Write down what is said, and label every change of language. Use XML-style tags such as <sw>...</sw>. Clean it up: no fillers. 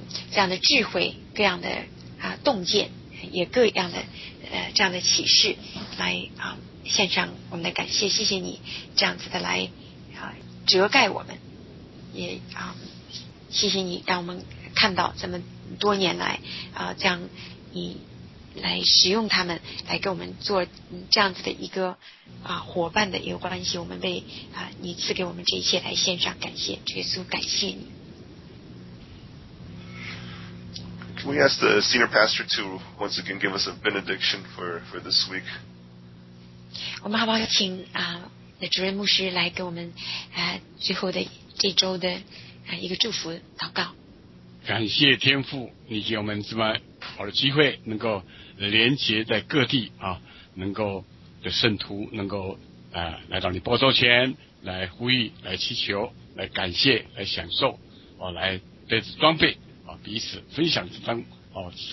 <zh>这样的智慧，各样的啊洞见，也各样的这样的启示，来啊献上我们的感谢，谢谢你这样子的来啊遮盖我们，也啊谢谢你让我们看到这么多年来啊这样你来使用他们来给我们做这样子的一个啊伙伴的一个关系，我们被啊你赐给我们这一切来献上感谢，耶稣感谢你。</zh> <en>Can we ask the senior pastor to once again give us a benediction for this week?</en> <zh>我们好不好请啊那主任牧师来给我们啊最后的这周的啊一个祝福祷告。感谢天父，你给我们这么好的机会，能够连结在各地啊，能够的圣徒能够啊、来到你宝座前来呼吁、来祈求、来感谢、来享受啊，来得着装备啊，彼此分享这张啊，</zh>